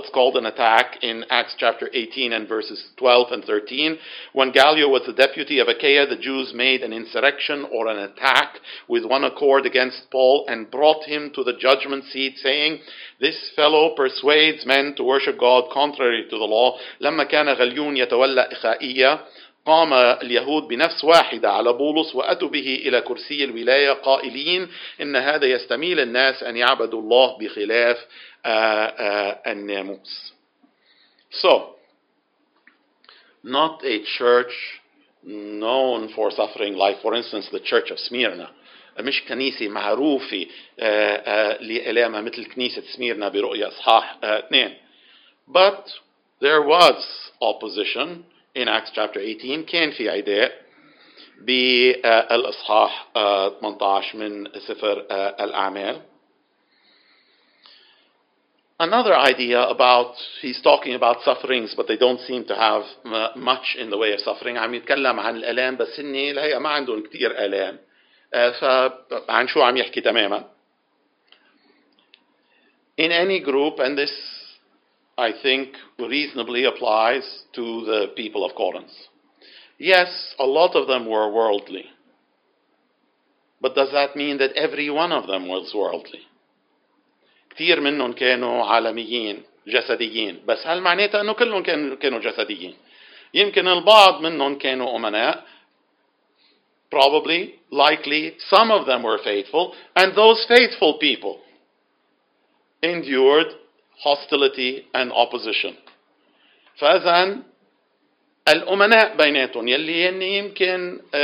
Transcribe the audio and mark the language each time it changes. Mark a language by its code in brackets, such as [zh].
[en] It's called an attack in Acts chapter 18 and verses 12 and 13. When Gallio was the deputy of Achaia, the Jews made an insurrection or an attack with one accord against Paul and brought him to the judgment seat, saying, "This fellow persuades men to worship God contrary to the law." [ar] لما كان غليون يتولى إخائية قام اليهود بنفس واحدة على بولس وأتوا به إلى كرسي الولاية قائلين إن هذا يستميل الناس أن يعبدوا الله بخلاف الناموس. [en] So, not a church known for suffering life. For instance, the church of Smyrna. [ar] مش كنيسة معروفة لألامها مثل كنيسة سميرنا برؤية إصحاح 2. [en] But there was opposition in Acts chapter 18. [ar] كان في عداء بالإصحاح 18 من سفر الأعمال. [en] Another idea about, he's talking about sufferings, but they don't seem to have much in the way of suffering. [ar] عم يتكلم عن الألام بس إني لهي ما عندهم كتير ألام. فعن شو عم يحكي تماما؟ [en] In any group, and this I think reasonably applies to the people of Corinth. Yes, a lot of them were worldly. But does that mean that every one of them was worldly? [ar] كثير منهم كانوا عالميين جسديين بس هل معناتها انه كلهم كانوا جسديين يمكن البعض منهم كانوا امناء [en] probably likely some of them were faithful and those faithful people endured hostility and opposition [ar] فاذا الامناء بيناتهم يلي يمكن